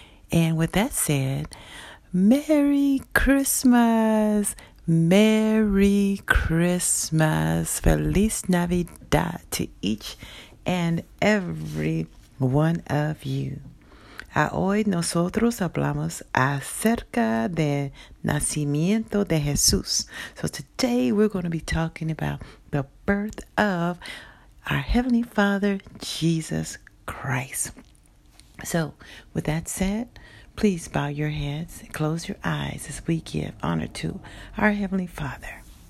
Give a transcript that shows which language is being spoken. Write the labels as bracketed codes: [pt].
[en] And with that said, Merry Christmas! Merry Christmas! [es] Feliz Navidad [en] to each and every one of you. [es] Hoy nosotros hablamos acerca del nacimiento de Jesús. [en] So today we're going to be talking about the birth of our Heavenly Father, Jesus Christ. So with that said, please bow your heads and close your eyes as we give honor to our Heavenly Father.